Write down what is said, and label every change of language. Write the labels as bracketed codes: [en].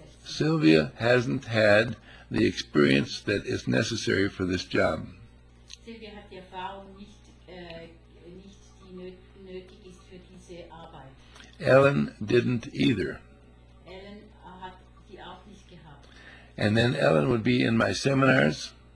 [en] Sylvia hasn't had the experience that is necessary for this job. [de] Sylvia hat die Erfahrung nicht, nicht die nötig ist für diese Arbeit. [en] Ellen didn't either. [de] Ellen hat die auch nicht gehabt. [en] And then Ellen would be in my seminars.